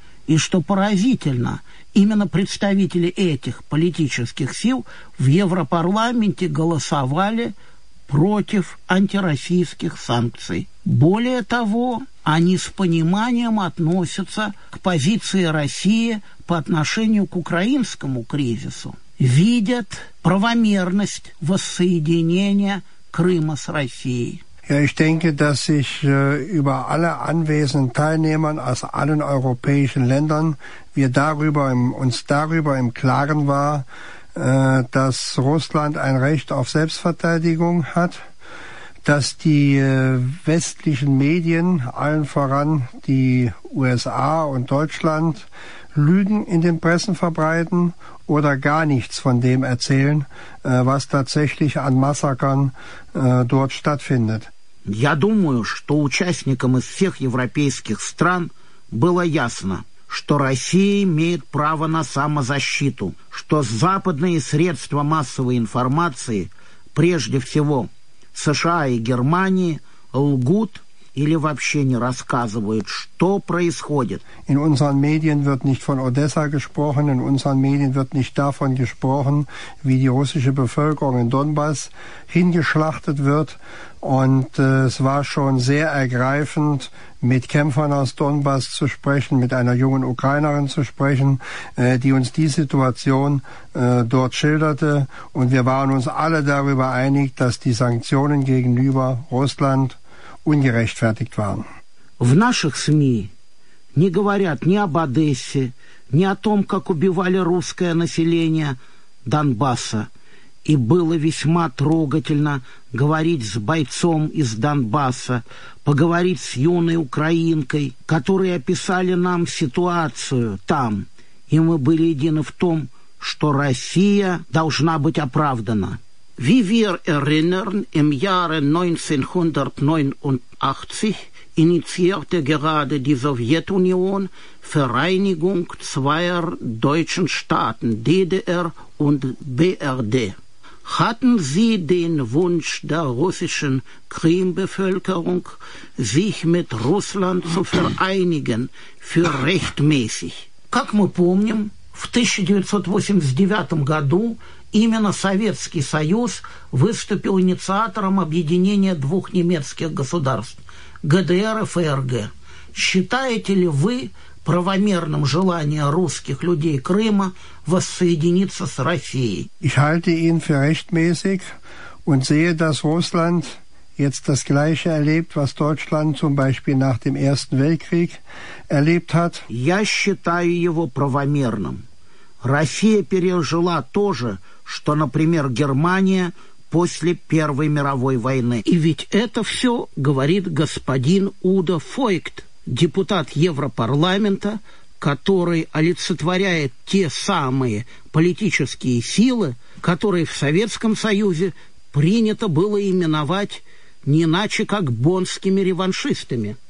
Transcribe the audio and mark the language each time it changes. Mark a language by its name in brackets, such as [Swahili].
[Russian] И что поразительно, именно представители этих политических сил в Европарламенте голосовали против антироссийских санкций. Более того, они с пониманием относятся к позиции России по отношению к украинскому кризису. Видят правомерность воссоединения Крыма с Россией. [German] Ja, ich denke, dass sich über alle anwesenden Teilnehmern aus allen europäischen Ländern uns darüber im Klaren war, dass Russland ein Recht auf Selbstverteidigung hat, dass die westlichen Medien, allen voran die USA und Deutschland, Lügen in den Pressen verbreiten oder gar nichts von dem erzählen, was tatsächlich an Massakern dort stattfindet. [Russian] Я думаю, что участникам из всех европейских стран было ясно, что Россия имеет право на самозащиту, что западные средства массовой информации, прежде всего США и Германия, лгут или вообще не рассказывают, что происходит. [German] In unseren Medien wird nicht von Odessa gesprochen, in unseren Medien wird nicht davon gesprochen, wie die russische Bevölkerung in Donbass hingeschlachtet wird Und es war schon sehr ergreifend, mit Kämpfern aus Donbass zu sprechen, mit einer jungen Ukrainerin zu sprechen, die uns die Situation dort schilderte. Und wir waren uns alle darüber einig, dass die Sanktionen gegenüber Russland ungerechtfertigt waren. [Russian] В наших СМИ не говорят ни об Одессе, ни о том, как убивали русское население Донбасса. И было весьма трогательно говорить с бойцом из Донбасса, поговорить с юной украинкой, которые описали нам ситуацию там. И мы были едины в том, что Россия должна быть оправдана. [German] Wie wir erinnern, im Jahre 1989 initiierte gerade die Sowjetunion Vereinigung zweier deutschen Staaten, DDR und BRD. Hatten Sie den Wunsch der russischen Krimbevölkerung, sich mit Russland zu vereinigen, für rechtmäßig? [Russian] Как мы помним, в 1989 году именно Советский Союз выступил инициатором объединения двух немецких государств – ГДР и ФРГ. Считаете ли вы правомерным желание русских людей Крыма воссоединиться с Россией? [German] Ich halte ihn für rechtmäßig und sehe, dass Russland jetzt das Gleiche erlebt, was Deutschland zum Beispiel nach dem Ersten Weltkrieg erlebt hat. [Russian] Я считаю его правомерным. Россия пережила то же, что, например, Германия после Первой мировой войны. И ведь это все говорит господин Удо Фойгт, депутат Европарламента, который олицетворяет те самые политические силы, которые в Советском Союзе принято было именовать не иначе, как боннскими реваншистами.